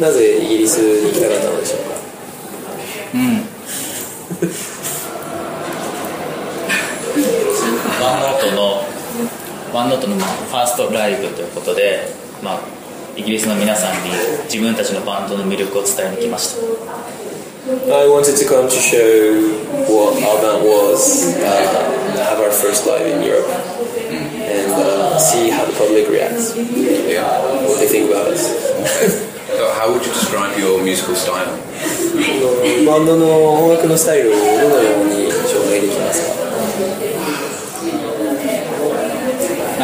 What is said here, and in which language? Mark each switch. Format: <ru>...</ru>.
<ja>なぜイギリスに行きたかったのでしょうか? ワンノートのワンノートのファーストライブということで、まあ、イギリスの皆さんに自分たちのバンドの魅力を伝えに来ました。</ja> <en>I wanted to come to show what our band was, have our first live in Europe, and see how the public reacts. Yeah. What they think about us. So how would you describe your musical style?</en> <ja>バンドの音楽のスタイルをどのように紹介できますか?</ja>